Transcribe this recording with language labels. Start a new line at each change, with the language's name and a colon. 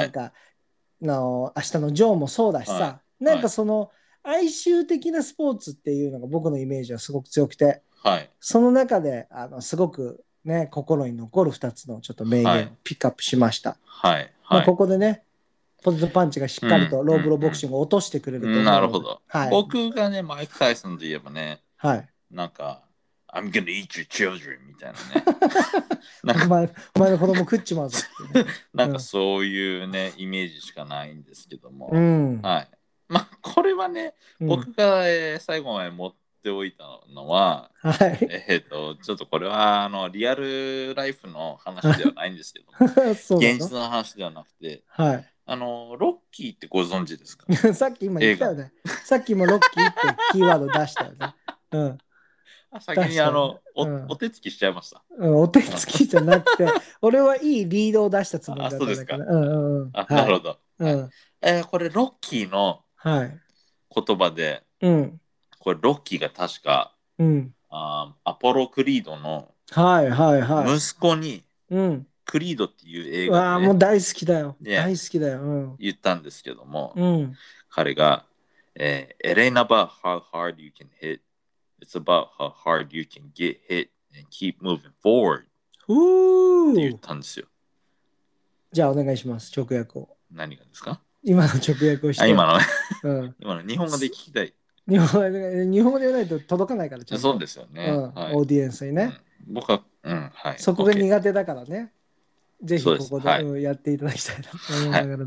Japanese: なんかの明日のジョーもそうだしさ、はい、なんかその、はい、哀愁的なスポーツっていうのが僕のイメージはすごく強くて、はい、その中であのすごくね心に残る2つのちょっと名言をピックアップしました、はい、はいはい、まあ、ここでねポテトパンチがしっかりとローブローボクシングを落としてくれると、うん、なるほど、はい、僕がねマイク・タイソンといえばね、はい、
English: なんか I'm gonna eat your children
Japanese: みたいなねなんか お前の子供食っちまうぞ、ね、なんかそういうね、うん、イメージしかないんですけども、うん、はい、まあこれはね僕が、最後まで持っておいたのは、はい、ちょっとこれはあのリアルライフの話ではないんですけどそう、現実の話ではなくて、はい、あのロッキーってご存知ですか？さっき今言ったよね。さっきもロッキーってキーワード出したよね。うん、先にあの、ね、お手つきしちゃいました。うん、お手つきじゃなくて、俺はいいリードを出したつもりだったんですか。うんうん、あ、なるほど。はい、うん、これロッキーの言葉で、はい、これロッキーが確か、うん、アポロクリードの息子に、はいはいはい、うん、クリードっていう映画で、ね、もう大好きだよ、ね、大好きだよ、うん、言ったんですけども、うん、
English: 彼が、It ain't about how hard you can hit, it's about how hard you can get hit and keep moving forward
Japanese: って言ったんですよ。じゃあお願いします、直訳を。何がですか、今の直訳をして。あ、今の、うん、今の日本語で聞きたい。日本語で言わないと届かないから、ちゃんと。そうですよね、うん、はい、オーディエンスにね、うん、僕は、うん、はい、そこが苦手だからね、ぜひここで、はい、やっていただきたいなと思いながら、